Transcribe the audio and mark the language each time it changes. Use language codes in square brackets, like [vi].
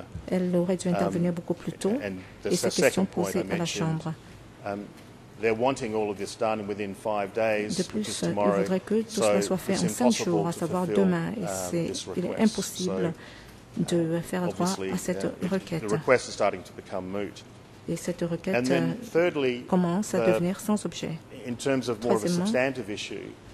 [fr] Elle aurait dû intervenir beaucoup plus tôt et ces questions posées à la Chambre. [en] They're wanting all of this done within 5 days, [fr] de plus, [en] which is tomorrow. [fr] Ils voudraient que tout cela soit fait en 5 jours, à savoir demain. Et c'est, il est impossible de faire droit à cette requête. [en] The request is starting to become moot. [fr] Et cette requête commence à devenir sans objet. [en] In terms of more of a substantive issue,